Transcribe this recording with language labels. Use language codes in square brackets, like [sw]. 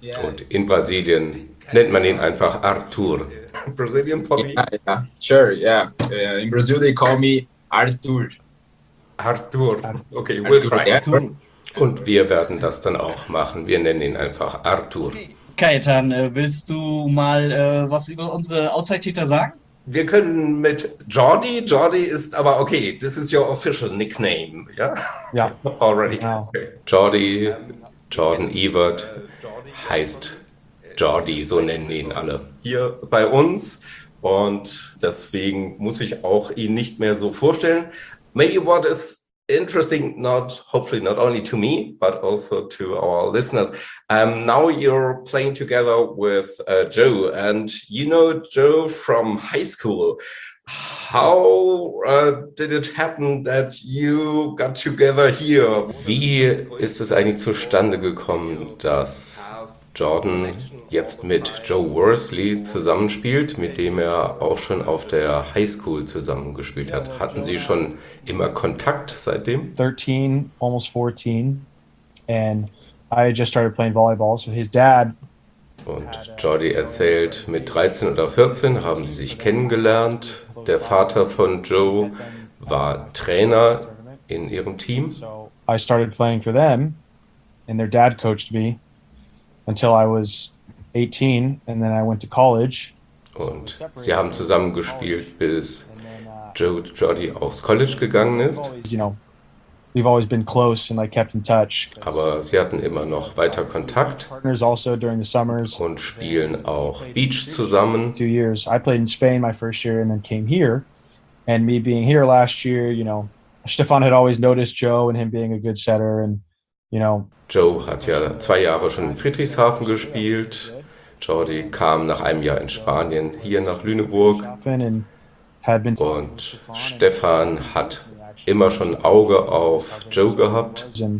[de] Und in Brasilien nennt man ihn einfach Arthur. [en] Brazilian police. Yeah. In Brazil they call me Arthur. Arthur. Okay, we'll try. Arthur. [de] Und wir werden das dann auch machen. Wir nennen ihn einfach Arthur. Kaitan, willst du mal was über unsere Outside-Hitter sagen? Wir können mit Jordi. Jordi ist aber okay. [en] This is your official nickname. Yeah? [de] Ja. [en] Already. [de] Ja. [en] Okay. [de] Jordi, Jordan Ewert heißt Jordi, so nennen ihn alle. Hier bei uns und deswegen muss ich auch ihn nicht mehr so vorstellen. [en] Maybe what is interesting, not hopefully not only to me, but also to our listeners. Now you're playing together with Joe and you know Joe from high school. How did it happen that you got together here? [de] Wie ist es eigentlich zustande gekommen, dass Jordan jetzt mit Joe Worsley zusammenspielt, mit dem er auch schon auf der Highschool zusammengespielt hat? Hatten Sie schon immer Kontakt seitdem? [en] 13, almost 14. And I just started playing volleyball, so his dad. [de] Und Jordi erzählt, mit 13 oder 14 haben sie sich kennengelernt. Der Vater von Joe war Trainer in ihrem Team. [en] I started playing for them and their dad coached me. Until I was 18 and then I went to college. [de] Und sie haben zusammen gespielt, bis Jordi aufs College gegangen ist. [en] You know, we've always been close and I kept in touch. [de] Aber sie hatten immer noch weiter Kontakt. [en] Partners also during the summers. [de] Und spielen auch Beach zusammen. [en] 2 years. I played in Spain my first year and then came here. And me being here last year, you know, Stefan had always noticed Joe and him being a good setter and, you know, [de] Joe hat ja 2 Jahre schon in Friedrichshafen gespielt. Jordi kam nach einem Jahr in Spanien hier nach Lüneburg. Und Stefan hat immer schon Auge auf Joe gehabt.